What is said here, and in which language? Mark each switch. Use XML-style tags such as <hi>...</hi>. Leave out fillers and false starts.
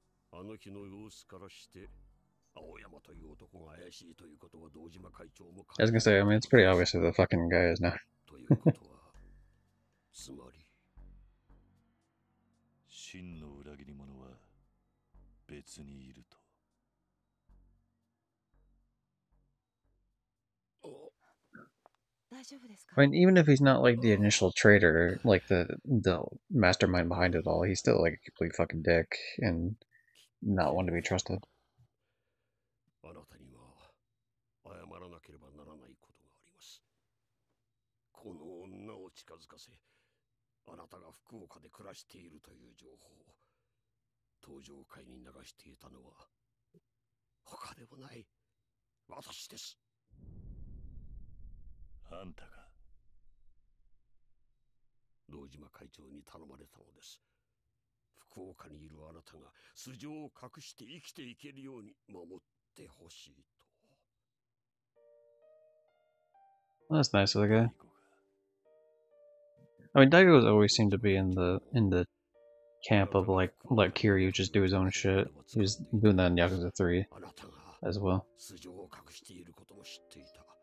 <ja>あの日の様子からして、青山という男が怪しいということは堂島会長も。</ja> <en>I was gonna say, I mean, it's pretty obvious who the fucking guy is now.</en> <ja>ということは、つまり、真の裏切り者は別にいると。</ja> <en>I mean, even if he's not like the initial traitor, like the mastermind behind it all, he's still like a complete fucking dick and not one to be trusted.</en> <ja>あなたには謝らなければならないことがあります。この女を近づかせ、あなたが福岡で暮らしているという情報を登場会に流していたのは他でもない私です。あんたが堂島会長に頼まれたのです。福岡にいるあなたが素性を隠して生きていけるように守ってほしいと。</ja> <en>That's nice of the guy. I mean, Daigo's always seemed to be in the camp of like, let Kiryu just do his own shit. He was doing that in Yakuza 3 as well.</en> <ja>素性を隠していることも知っていた。</ja>